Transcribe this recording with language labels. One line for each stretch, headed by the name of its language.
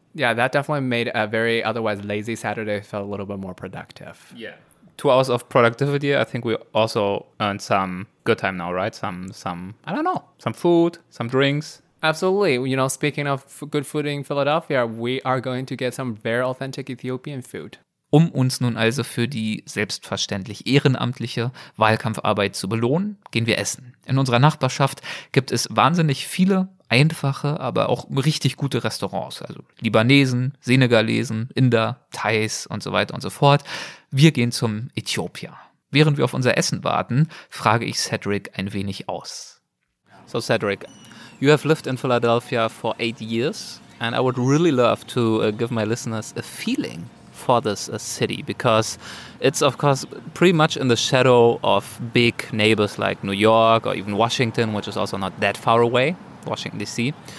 English: Yeah, that definitely made a very otherwise lazy Saturday feel a little bit more productive. Yeah. 2 hours of productivity, I think we also earned some good time now, right? Some I don't know, some food, some drinks. Absolutely. You know, speaking of good food in Philadelphia, we are going to get some very authentic Ethiopian food.
German: Um uns nun also für die selbstverständlich ehrenamtliche Wahlkampfarbeit zu belohnen, gehen wir essen. In unserer Nachbarschaft gibt es wahnsinnig viele einfache, aber auch richtig gute Restaurants. Also Libanesen, Senegalesen, Inder, Thais und so weiter und so fort. Wir gehen zum Ethiopia. Während wir auf unser Essen warten, frage ich Cedric ein wenig aus.
English: So Cedric, you have lived in Philadelphia for 8 years and I would really love to give my listeners a feeling for this city, because it's of course pretty much in the shadow of big neighbors like New York or even Washington, which is also not that far away, Washington DC.